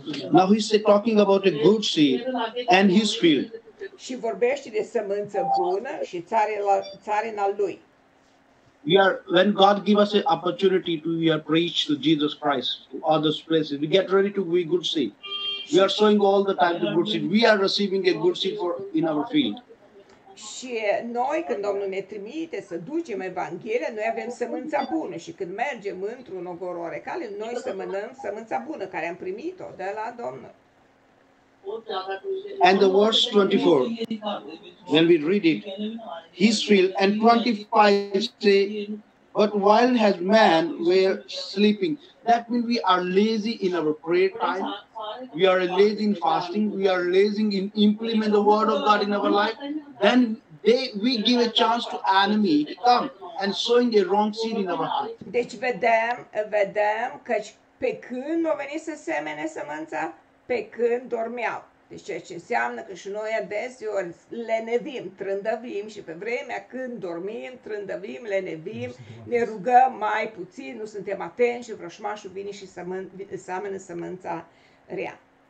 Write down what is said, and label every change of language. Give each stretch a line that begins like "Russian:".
English: Now he's talking about a good seed and his field.
Romanian: și vorbește de sămânță bună și țarina lui.
English: We are, when God gives us an opportunity to preach to Jesus Christ to other places, we get ready to be good seed. We are sowing all the time the good seed. We are receiving a good seed for in our field.
Romanian: Și noi, când Domnul ne trimite să ducem Evanghelia, noi avem sămânța bună. Și când mergem într-un ogor orecale, noi semănăm sămânța bună care am primit-o de la Domnul.
English: And the verse 24, when we read it, his field, and 25 say, but while has man were sleeping, that means we are lazy in our prayer time, we are lazy in fasting, we are lazy in implement the word of God in our life, then we give a chance to enemy to come and sowing a wrong seed in our heart.
Romanian: Deci vedem că pe când a venit să semene sămânța, pe când dormeau. Deci ceea ce înseamnă că și noi adeseori lenevim, trândăvim și pe vremea când dormim, trândăvim, lenevim, ne rugăm mai puțin, nu suntem atenți și vrășmașul vine și seamănă sămânța rea.